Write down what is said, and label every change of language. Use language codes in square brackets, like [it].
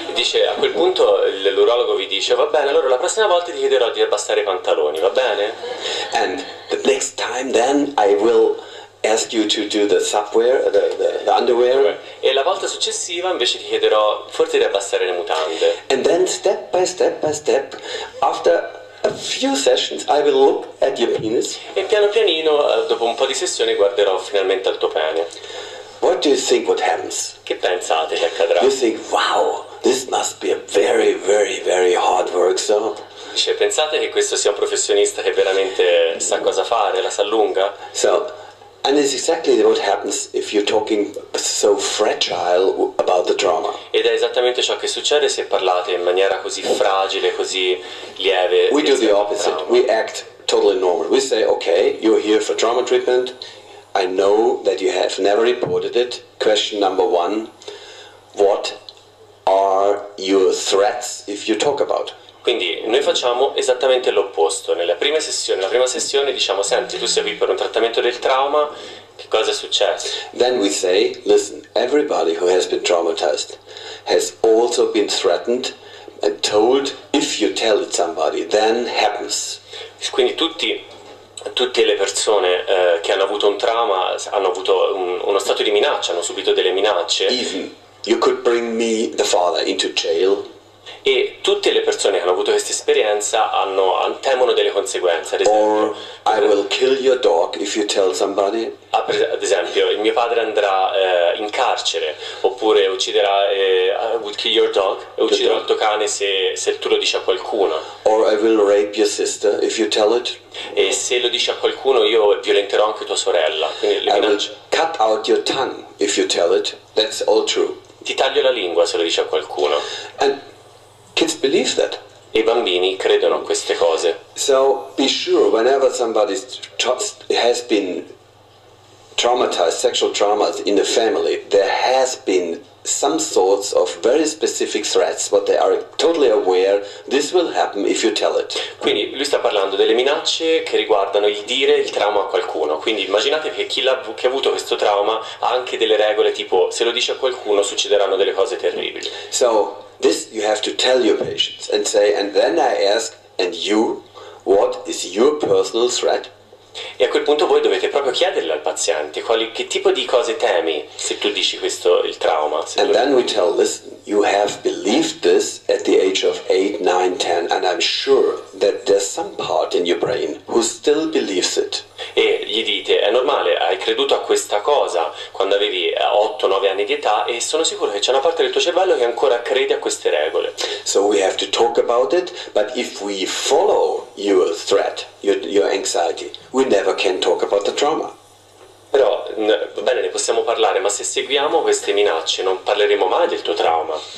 [it] Dice, a quel punto l'urologo vi dice, va bene, allora la prossima volta ti chiederò di abbassare i pantaloni, va bene? [en] And the next time then I will ask you to do the subwear, the underwear. [it] E la volta successiva invece ti chiederò forse di abbassare le mutande. [en] And then step by step, after a few sessions I will look at your penis. [it] E piano pianino, dopo un po' di sessioni, guarderò finalmente al tuo pene. [en] What do you think what happens? [it] Che pensate che accadrà? [en] You think, wow, this must be a very, very, very hard work, so. [it] Cioè, pensate che questo sia un professionista che veramente sa cosa fare, la sa lunga? [en] So, and it's exactly what happens if you're talking so fragile about the drama. [it] Ed è esattamente ciò che succede se parlate in maniera così fragile, così lieve. [en] We do the opposite. We act totally normal. We say, okay, you're here for trauma treatment. I know that you have never reported it. Question number one, what are your threats if you talk about? [it] Quindi noi facciamo esattamente l'opposto. Nella prima sessione diciamo, senti, tu sei qui per un trattamento del trauma, che cosa è successo? [en] Then we say, listen, everybody who has been traumatized has also been threatened and told, if you tell it somebody, then happens. [it] Quindi tutte le persone che hanno avuto un trauma hanno avuto uno stato di minaccia, hanno subito delle minacce. [en] Even you could bring me, the father, into jail. [it] E tutte le persone che hanno avuto questa esperienza temono delle conseguenze. Ad esempio, [en] or I will kill your dog if you tell somebody. [it] Ad esempio, il mio padre andrà in carcere, oppure ucciderà [en] I will kill your dog, [it] e ucciderò il tuo cane se tu lo dici a qualcuno. [en] Or I will rape your sister if you tell it. [it] E se lo dici a qualcuno, io violenterò anche tua sorella. [en] I will cut out your tongue if you tell it. That's all true. [it] Ti taglio la lingua se lo dici a qualcuno. [en] And kids believe that. [it] I bambini credono a queste cose. [en] So be sure, whenever somebody has been traumatized, sexual traumas in the family, there has been some sorts of very specific threats, but they are totally aware this will happen if you tell it. [it] Quindi lui sta parlando delle minacce che riguardano il dire il trauma a qualcuno. Quindi immaginate che chi ha avuto questo trauma ha anche delle regole, tipo se lo dice a qualcuno succederanno delle cose terribili. [en] So this you have to tell your patients and say, and then I ask, and you, what is your personal threat? [it] E a quel punto voi dovete proprio chiederle al paziente che tipo di cose temi se tu dici questo, il trauma. [en] And then we tell, listen, you have believed this at the age of 8, 9, 10, and I'm sure that there's some part in your brain who still believes it. [it] E gli dite, è normale, hai creduto a questa cosa quando avevi 8, 9 anni di età, e sono sicuro che c'è una parte del tuo cervello che ancora crede a queste regole. [en] So we have to talk about it, but if we follow your threat, your anxiety, we never can talk about the trauma. [it] Però, va bene, ne possiamo parlare, ma se seguiamo queste minacce non parleremo mai del tuo trauma.